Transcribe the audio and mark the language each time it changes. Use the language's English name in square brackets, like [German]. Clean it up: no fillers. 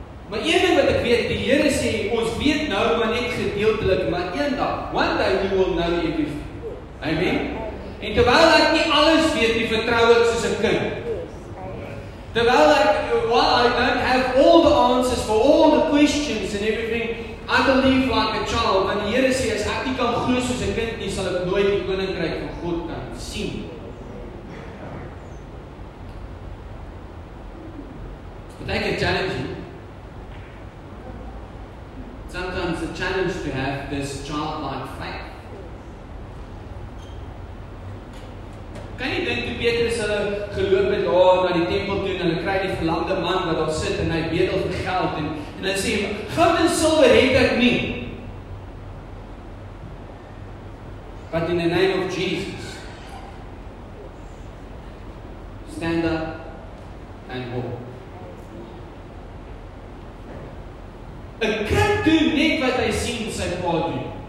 [Afrikaans] Maar een ding wat ek weet, die Here sê, ons weet nou maar net gedeeltelik, maar een dag, [English] one day we will know everything. [Afrikaans] Amen? En terwyl ek nie alles weet, nie vertrou ek soos 'n kind. Terwyl ek, [English] while I don't have all the answers for all the questions and everything, I believe like a child, [Afrikaans] want die Here sê, as ek nie kan glo soos 'n kind nie, sal ek nooit die koninkryk van God kan sien. [English] But I can challenge you. Sometimes a challenge to have this childlike faith. [Afrikaans] Kan jy dink hoe Petrus hulle geloop het daar na die tempel toe en hulle kry die verlamde man wat daar sit en hy bedel vir geld en hy sê, goud en silwer het ek nie. [English] But in the name of Jesus, stand up and walk. [Afrikaans] Een kind doen net wat hy sien sy pa doen.